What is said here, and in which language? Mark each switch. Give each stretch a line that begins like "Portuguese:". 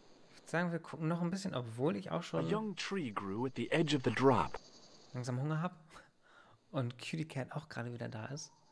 German: Ich würde sagen, wir gucken noch ein bisschen, obwohl ich auch schon.
English: A young tree grew at the edge of the drop.
German: Langsam Hunger habe. Und Cutie Cat auch gerade wieder da ist.